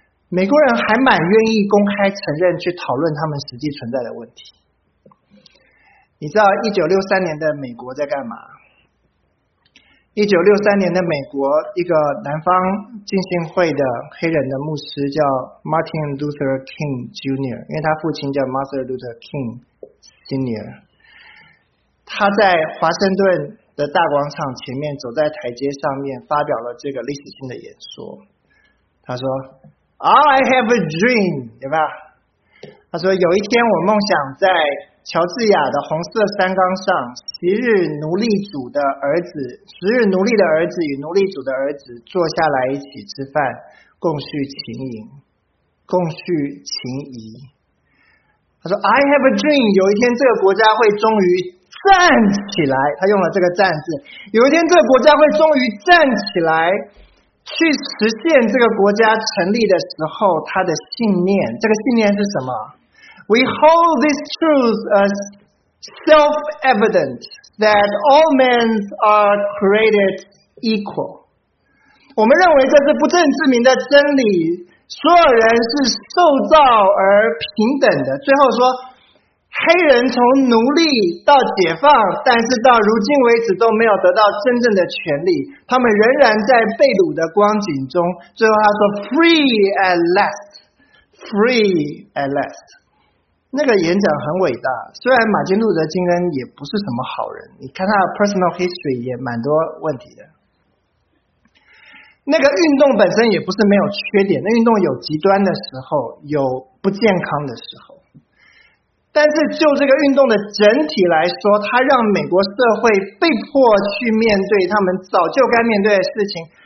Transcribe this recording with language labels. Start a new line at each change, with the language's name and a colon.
Chinese: 美国人还蛮愿意公开承认去讨论他们实际存在的问题。你知道1963年的美国在干嘛？1963年的美国，一个南方浸信会的黑人的牧师叫 Martin Luther King Jr. 因为他父亲叫 Martin Luther King Sr. 他在华盛顿的大广场前面走在台阶上面发表了这个历史性的演说。他说
English: I have a dream，
Chinese: 有没有？他说有一天我梦想在乔治亚的红色山岗上，昔日奴隶主的儿子，昔日奴隶的儿子与奴隶主的儿子坐下来一起吃饭，共叙情谊，共叙情谊。他说
English: I have a dream，
Chinese: 有一天这个国家会终于站起来。他用了这个站字，有一天这个国家会终于站起来，去实现这个国家成立的时候他的信念。这个信念是什么？
English: We hold this truth as self-evident that all men are created equal.
Chinese: 我们认为这是不证自明的真理，所有人是受造而平等的。最后说，黑人从奴隶到解放，但是到如今为止都没有得到真正的权利，他们仍然在被掳的光景中。最后他说 ，
English: free at last, free at last。
Chinese: 那个演讲很伟大，虽然马丁路德金恩也不是什么好人，你看他的
English: personal history
Chinese: 也蛮多问题的。那个运动本身也不是没有缺点，那运动有极端的时候，有不健康的时候，但是就这个运动的整体来说，它让美国社会被迫去面对他们早就该面对的事情。